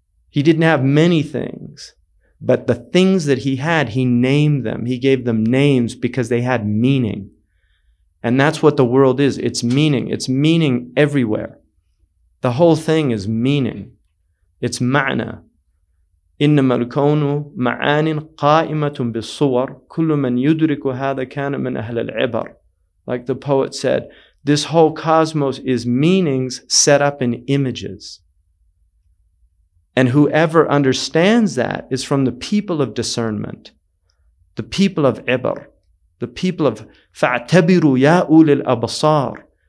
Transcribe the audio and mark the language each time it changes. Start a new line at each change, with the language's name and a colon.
English: He didn't have many things, but the things that he had, he named them. He gave them names because they had meaning. And that's what the world is. It's meaning. It's meaning everywhere. The whole thing is meaning. It's ma'na.
Arabic: إنما الكون معان قائمة بالصور كل من يدرك هذا كان من أهل العبر.
English: Like the poet said, this whole cosmos is meanings set up in images. And whoever understands that is from the people of discernment, the people of عبر, the people of فاعتبروا يا أولي الأبصار.